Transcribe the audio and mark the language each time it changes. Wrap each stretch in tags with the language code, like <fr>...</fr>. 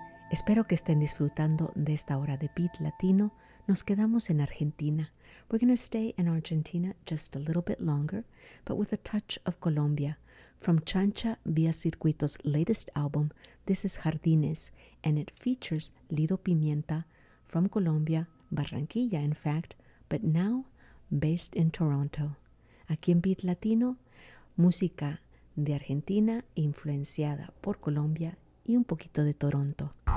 <es>Espero que estén disfrutando de esta hora de Beat Latino. Nos quedamos en Argentina.</es> <en>We're going to stay in Argentina just a little bit longer, but with a touch of Colombia. From Chancha Vía Circuito's latest album, this is Jardines, and it features Lido Pimienta from Colombia, Barranquilla, in fact, but now based in Toronto.</en> <es>Aquí en Beat Latino, música de Argentina influenciada por Colombia y un poquito de Toronto.</es>